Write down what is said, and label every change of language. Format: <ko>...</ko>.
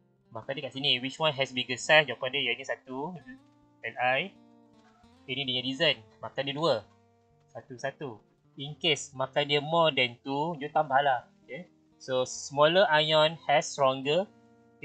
<ms>Markah dia kat sini,</ms> <en>which one has bigger size?</en> <ms>Jawapan dia, yang ni satu, Li. Ini dia reason, markah dia 2. Satu.</ms> <en>In case,</en> <ms>markah dia</ms> <en>more than 2, you</en> <ms>tambahlah.</ms> <en>Okay. So, smaller ion has stronger K</en>